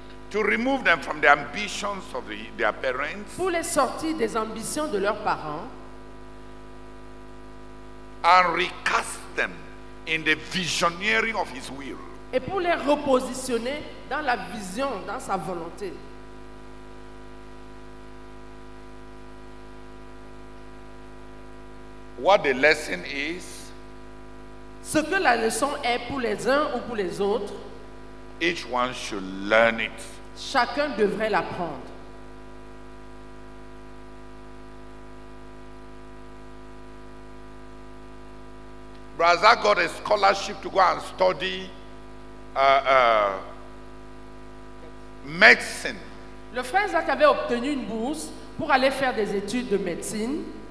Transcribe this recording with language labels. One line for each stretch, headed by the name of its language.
English: To remove them from the ambitions of their parents.
French: Pour les sortir des ambitions de leurs parents.
English: And recast them in the visionary of His will.
French: Et pour les repositionner dans la vision, dans sa volonté.
English: What the lesson is,
French: ce que la leçon est pour les uns ou pour les autres,
English: each one should learn it.
French: Chacun devrait l'apprendre.
English: Brother got a scholarship to go and study. Medicine.
French: Le frère Zach avait obtenu une bourse pour aller faire des études de médecine.